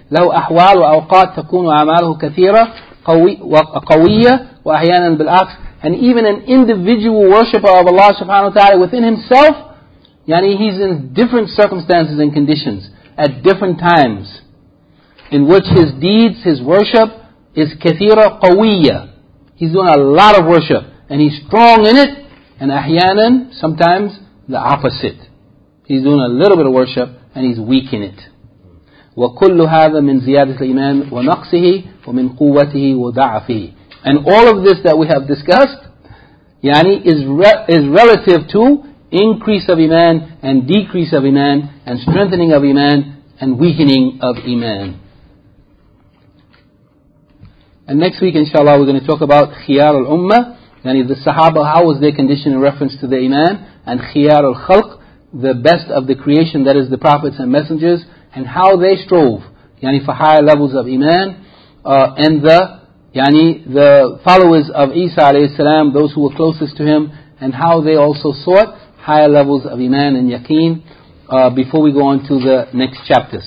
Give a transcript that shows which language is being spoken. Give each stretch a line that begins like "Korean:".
Arabic: لو أحوال وأوقات تكون أعماله كثيرة قوية وأحيانا بالعكس.
English: And even an individual worshipper of Allah subhanahu wa ta'ala within himself, yani he's in different circumstances and conditions at different times in which his deeds, his worship is
Arabic: كثيرة قوية.
English: He's doing a lot of worship and he's strong in it, and أحيانا sometimes the opposite. He's doing a little bit of worship and he's weak in it.
Arabic: وكل هذا من زيادة الإيمان ونقصه ومن قوته وضعفه.
English: And all of this that we have discussed, يعني is relative to increase of iman and decrease of iman and strengthening of iman and weakening of iman. And next week, inshallah, we're going to talk about
Arabic: خيار الأمة,
English: يعني the Sahaba, how was their condition in reference to the iman, and
Arabic: خيار الخلق,
English: the best of the creation, that is the prophets and messengers, and how they strove, yani for higher levels of iman, and the, yani the followers of Isa alayhi salam, those who were closest to him, and how they also sought higher levels of iman and yaqeen, before we go on to the next chapter.